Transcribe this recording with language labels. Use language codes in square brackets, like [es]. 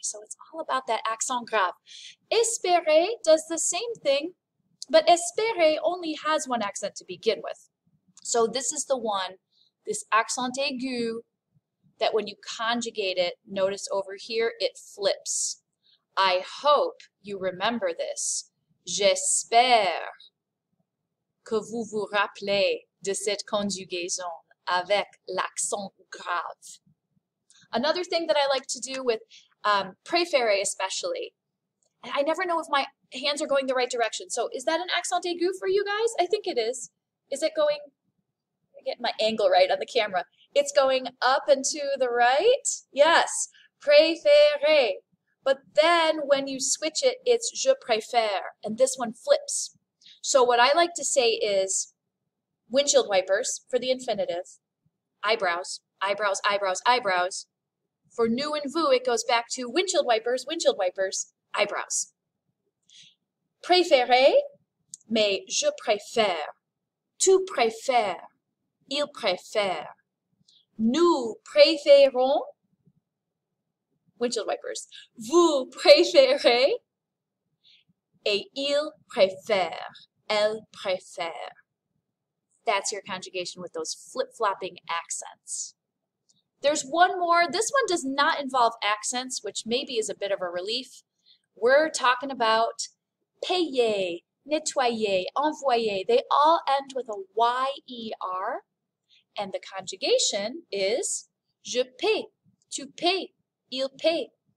[en] So it's all about that accent grave. Espérer does the same thing, but espérer only has one accent to begin with. So this is the one, this accent aigu, that when you conjugate it, notice over here, it flips. I hope you remember this. [fr] J'espère que vous vous rappelez de cette conjugaison avec l'accent grave. [en] Another thing that I like to do with préféré especially, I never know if my hands are going the right direction. So is that an accent aigu for you guys? I think it is. Is it going, I get my angle right on the camera. It's going up and to the right. Yes, préféré. But then when you switch it, it's je préfère, and this one flips. So what I like to say is windshield wipers for the infinitive, eyebrows, eyebrows, eyebrows, eyebrows. For nous and vous, it goes back to windshield wipers, eyebrows. [fr] Préféré, mais je préfère. Tu préfères, il préfère. Nous préférons, [en] windshield wipers, [fr] vous préférez, et il préfère, elle préfère. [en] That's your conjugation with those flip-flopping accents. There's one more. This one does not involve accents, which maybe is a bit of a relief. We're talking about payer, nettoyer, envoyer. They all end with a Y-E-R. And the conjugation is [fr] je paye, tu payes, il paye.